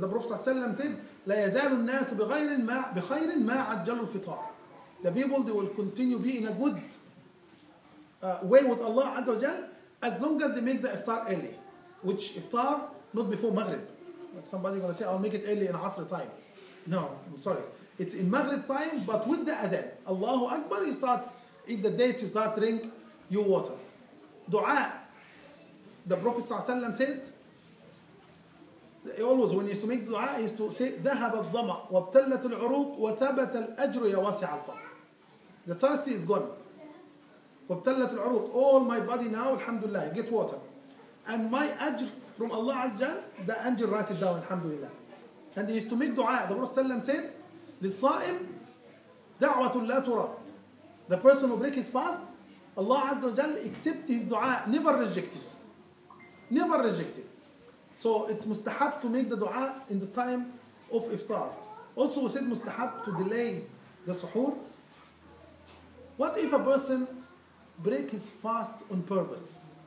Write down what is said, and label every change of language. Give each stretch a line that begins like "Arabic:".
English: The Prophet ﷺ said,
Arabic: لا يزال الناس بخير ما عجلوا الفطر.
English: The people, they will continue be in a good way with Allah Azza wa Jal as long as they make the iftar early. Which iftar, not before Maghrib. Like somebody going to say, I'll make it early in Asr time. No, I'm sorry. It's in Maghrib time, but with the adhan. Allahu Akbar, you start, eat the dates, you start drink your water. Dua. The Prophet ﷺ said, always when he used to make dua, he used to say,
Arabic: ذهب الظما وابتلت العروق وثبت الأجر يا واسع الفضل.
English: The thirsty is gone.
Arabic: وابتلت العروق.
English: All my body now, alhamdulillah, get water. And my ajr from Allah Azza, the angel writes it down, alhamdulillah. And he used to make dua. The Prophet ﷺ said,
Arabic: للصائم دعوة لا ترد.
English: The person who breaks his fast, Allah Azza wa Jal accept his dua, never rejected. Never rejected. So it's mustahab to make the dua in the time of iftar. Also said mustahab to delay the suhoor. What if a person breaks his fast on purpose?